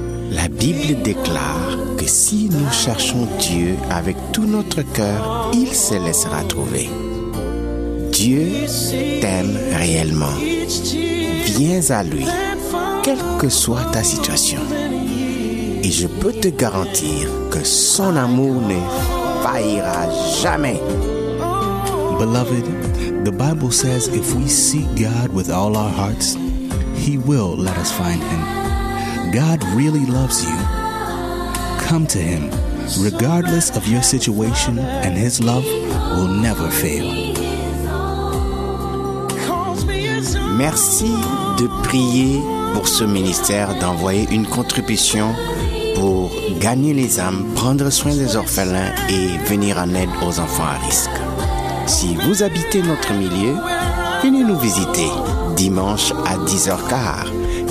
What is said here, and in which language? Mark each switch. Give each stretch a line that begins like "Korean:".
French: La Bible déclare que si nous cherchons Dieu avec tout notre cœur, il se laissera trouver. Dieu t'aime réellement. Viens à lui, quelle que soit ta situation. Et je peux te garantir que son amour ne faillira jamais.
English: Beloved, the Bible says if we seek God with all our hearts, he will let us find him. God really loves you. Come to him, regardless of your situation, and his love will never fail.
French: Merci de prier pour ce ministère, d'envoyer une contribution pour gagner les âmes, prendre soin des orphelins et venir en aide aux enfants à risque. Si vous habitez notre milieu, venez nous visiter dimanche à 10h15.